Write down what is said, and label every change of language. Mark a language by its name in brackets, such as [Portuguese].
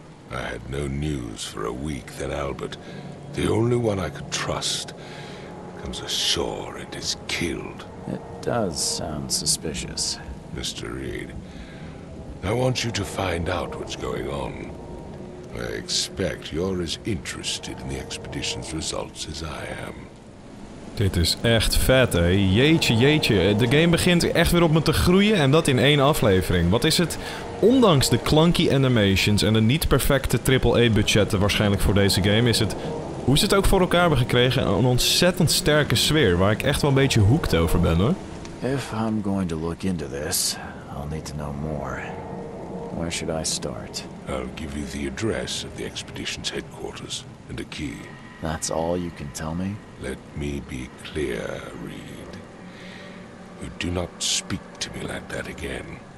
[English] I had no news for a week, then Albert, the only one I could trust, comes ashore and is killed. It does sound suspicious. Mr. Reed, I want you to find out what's going on. I expect you're as interested in the expedition's results as I am. [Dutch] Dit is echt vet, hè. Jeetje. De game begint echt weer op me te groeien en dat in één aflevering. Wat is het, ondanks de clunky animations en de niet perfecte AAA-budgetten waarschijnlijk voor deze game, is het, hoe ze het ook voor elkaar hebben gekregen, een ontzettend sterke sfeer waar ik echt wel een beetje hooked over ben, hoor. [English] If I'm going to look into this, I'll need to know more. Where should I start? I'll give you the address of the expedition's headquarters and a key. That's all you can tell me? Let me be clear, Reed. You do not speak to me like that again.